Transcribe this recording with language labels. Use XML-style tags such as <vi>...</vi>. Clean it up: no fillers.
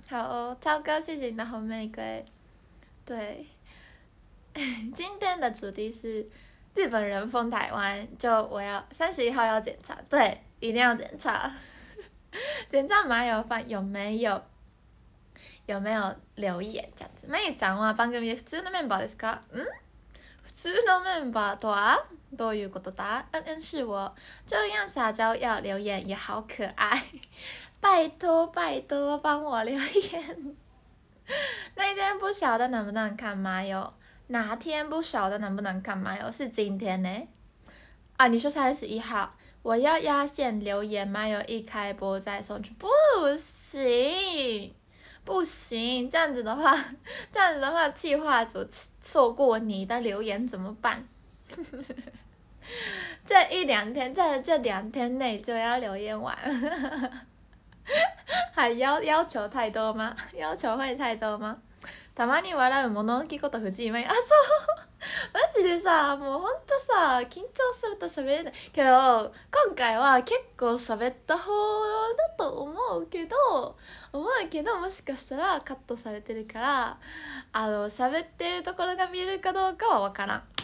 <zh>好哦，超哥，谢谢你的红玫瑰。对，今天的主题是日本人封台湾，就我要31号要检查，对。一定要检查，检查麻友饭有没有留言这样子。</zh> <ja>麻友ちゃんは番組で普通のメンバーですか？普通のメンバーとはどういうことだ？</ja> <zh>是我这样撒娇要留言也好可爱，拜托拜托帮我留言。那一天不晓得能不能看麻友，哪天不晓得能不能看麻友是今天呢？啊，你说31号。我要压线留言，麻友一开播再送去，不行，不行，这样子的话，企划组错过你的留言怎么办？这一两天，这两天内就要留言完，还要求太多吗？要求会太多吗？</zh> <ja>たまに笑う物置こと藤井麻友、あ、そう。マジでさ、もうほんとさ、緊張すると喋れないけど、今回は結構喋った方だと思うけど、もしかしたらカットされてるから、あの、喋ってるところが見えるかどうかは分からん。</ja>